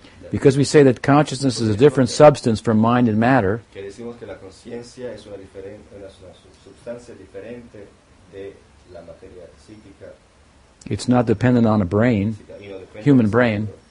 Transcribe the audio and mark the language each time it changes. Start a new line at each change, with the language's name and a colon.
English: because we say that consciousness is a different substance from mind and matter.
Spanish: Que decimos que la conciencia es una sustancia diferente de la materia psíquica.
English: It's not dependent on a brain, human brain.